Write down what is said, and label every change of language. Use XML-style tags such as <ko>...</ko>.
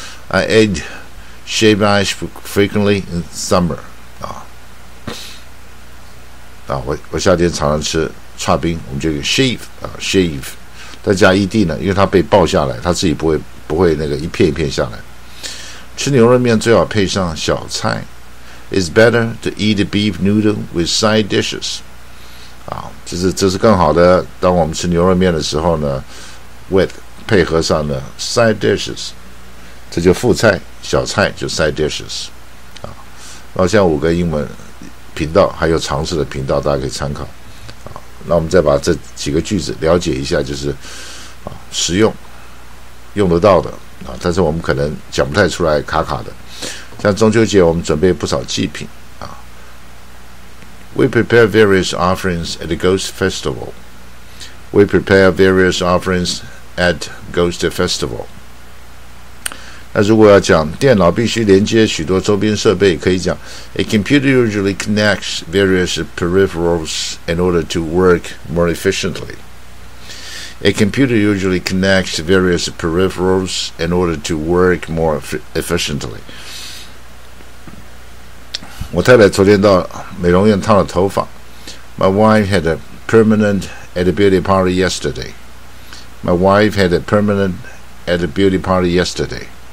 <en>I eat shaved ice frequently in summer</en> <zh>啊，我夏天常常吃串冰，我们就 shave再加 ED 呢，因为它被爆下来，它自己不会那个一片一片下来。吃牛肉面最好配上小菜</zh> <en>，It's better to eat beef noodle with side dishes。</en> <zh>啊，这是更好的。当我们吃牛肉面的时候呢 ，with 配合上的 side dishes， 这就副菜小菜就 side dishes 啊。那像五个英文频道还有常识的频道大家可以参考啊。那我们再把这几个句子了解一下，就是啊实用用得到的啊，但是我们可能讲不太出来卡卡的。像中秋节我们准备不少祭品啊，</zh> <en>We prepare various offerings at the Ghost Festival. We prepare various offerings at Ghost Festival.</en> <zh>那如果要讲电脑必须连接许多周边设备，可以讲</zh> <en>A computer usually connects various peripherals in order to work more efficiently. A computer usually connects various peripherals in order to work more efficiently.</en> <zh>我太太昨天到美容院烫了头发。</zh> <en>My wife had a permanent at a beauty parlor yesterday. My wife had a permanent at a beauty parlor yesterday.</en>